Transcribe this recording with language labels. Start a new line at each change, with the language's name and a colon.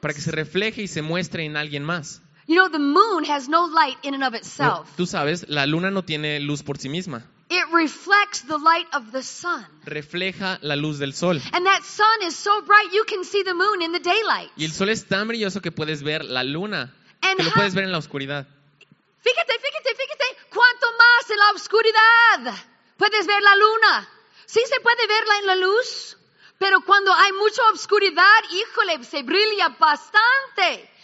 Spanish: Para que se refleje y se muestre en alguien más.
English: You know, the moon has no light in and of itself.
Spanish: Tú sabes, la luna no tiene luz por sí misma.
English: It reflects the light of the sun.
Spanish: Refleja la luz del sol.
English: And that sun is so bright you can see the moon in the daylight.
Spanish: Y el sol es tan brilloso que puedes ver la luna. And que lo puedes ver en la oscuridad. Fíjate, cuánto más en la oscuridad puedes ver la luna. Sí se puede verla en la luz, pero cuando hay mucha oscuridad, híjole, se brilla bastante.